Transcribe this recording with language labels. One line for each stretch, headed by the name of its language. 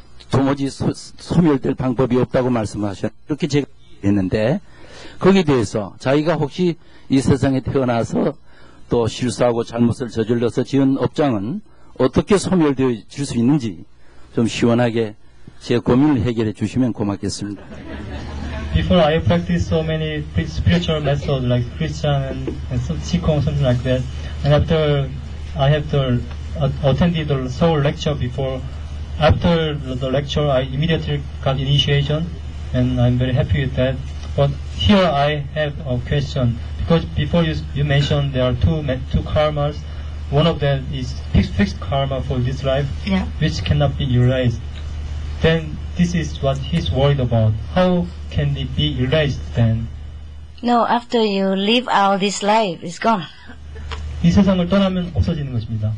Korean: 도무지 소멸될 방법이 없다고 말씀하셨는데 그렇게 제가 했는데 거기에 대해서 자기가 혹시 이 세상에 태어나서 또 실수하고 잘못을 저질러서 지은 업장은 어떻게 소멸될 수 있는지 좀 시원하게 제 고민을 해결해 주시면 고맙겠습니다.
English: Before I practice so many spiritual methods like Christian and Qigong, something like that, and after I have to attended the Seoul lecture before, after the lecture I immediately got initiation, and I'm very happy with that. But here I have a question, because before you mentioned there are two karmas. One of them is fixed karma for this life, yeah. which cannot be erased. Then this is what he's worried about. How can it be erased then? No, after you leave out this life, it's gone.
Korean: 이 세상을 떠나면 없어지는 것입니다.